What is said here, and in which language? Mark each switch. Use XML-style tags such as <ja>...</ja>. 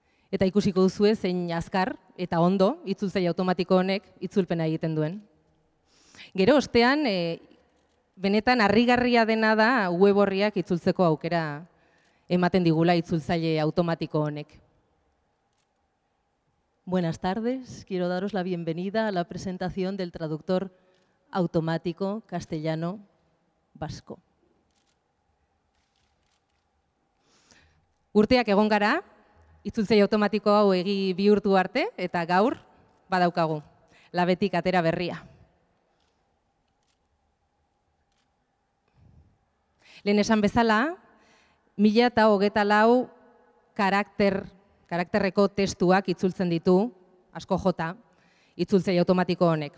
<eu>Eta ikusiko duzue zein azkar eta ondo itzultzaile automatiko honek itzulpena egiten duen. Gero, ostean, benetan harrigarria dena da web orriak itzultzeko aukera ematen digula itzultzaile automatiko honek.</eu> <es>Buenas tardes, quiero daros la bienvenida a la presentación del traductor automático castellano vasco.</es> <eu>Urteak egon gara itzultzaile automatiko hau egi bihurtu arte eta gaur badaukagu labetik atera berria. Lehen esan bezala, 1024 karakterreko testuak itzultzen ditu, asko jota, itzultzei automatiko honek.</eu>